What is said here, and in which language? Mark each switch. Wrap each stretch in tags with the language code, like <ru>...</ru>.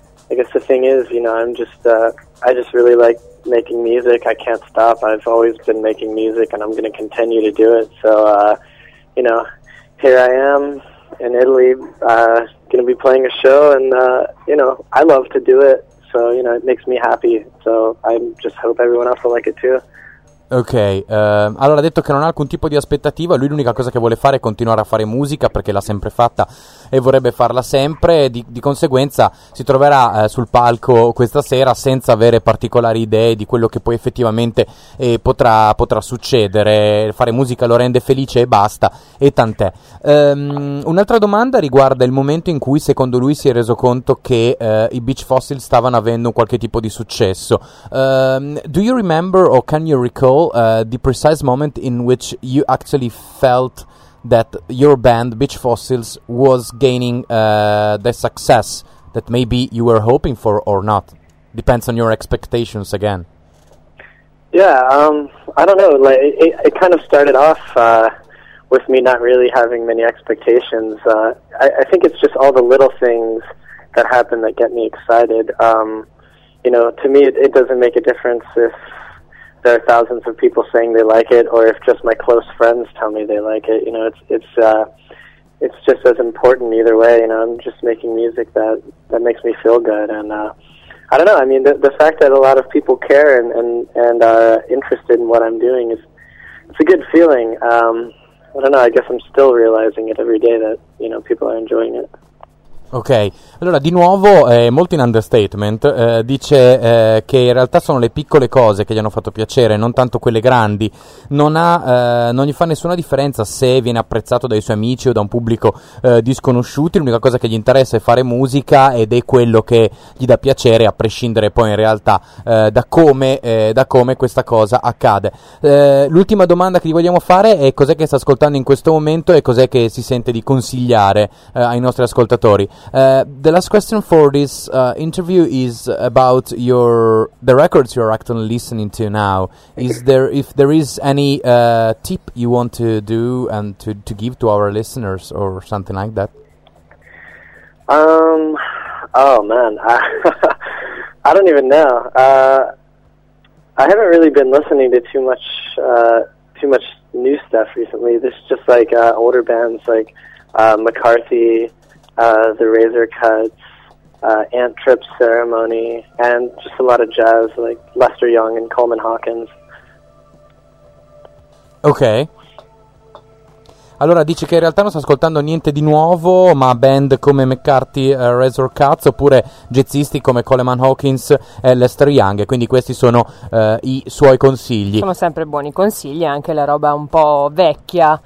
<en>I guess the thing is, you know, I just really like making music. I can't stop. I've always been making music, and I'm going to continue to do it. So, you know, here I am in Italy, going to be playing a show, and, you know, I love to do it. So, you know, it makes me happy. So I just hope everyone else will like it too.</en> <it>Ok, allora ha detto che non ha alcun tipo di aspettativa, lui l'unica cosa che vuole fare è continuare a fare musica perché l'ha sempre fatta e vorrebbe farla sempre, e di conseguenza si troverà sul palco questa sera senza avere particolari idee di quello che poi effettivamente potrà succedere. Fare musica lo rende felice e basta, e tant'è. Un'altra domanda riguarda il momento in cui secondo lui si è reso conto che i Beach Fossil stavano avendo qualche tipo di successo.</it> <en>Do you remember or can you recall the precise moment in which you actually felt that your band Beach Fossils was gaining the success that maybe you were hoping for or not? Depends on your expectations again. Yeah, I don't know, like it kind of started off with me not really having many expectations. I think it's just all the little things that happen that get me excited. You know, to me it doesn't make a difference if there are thousands of people saying they like it, or if just my close friends tell me they like it. You know, it's just as important either way. You know, I'm just making music that makes me feel good, and I don't know. I mean, the fact that a lot of people care and are interested in what I'm doing it's a good feeling. I don't know. I guess I'm still realizing it every day that, you know, people are enjoying it.</en> <it>Ok, allora di nuovo è molto in understatement, dice che in realtà sono le piccole cose che gli hanno fatto piacere, non tanto quelle grandi, non gli fa nessuna differenza se viene apprezzato dai suoi amici o da un pubblico disconosciuto, l'unica cosa che gli interessa è fare musica ed è quello che gli dà piacere, a prescindere poi in realtà da come questa cosa accade. L'ultima domanda che gli vogliamo fare è cos'è che sta ascoltando in questo momento e cos'è che si sente di consigliare ai nostri ascoltatori.</it> <en>The last question for this interview is about the records you're actually listening to now. Is there any tip you want to do and to give to our listeners or something like that? Oh man, I don't even know. I haven't really been listening to too much new stuff recently. This is just like older bands like McCarthy, the Razor Cuts, Ant Trip Ceremony, and just a lot of jazz like Lester Young and Coleman Hawkins. Okay.</en> <it>Allora dice che in realtà non sta ascoltando niente di nuovo, ma band come McCarthy, Razor Cuts, oppure jazzisti come Coleman Hawkins e Lester Young, e quindi questi sono i suoi consigli. Sono sempre buoni consigli, anche la roba un po' vecchia.</it>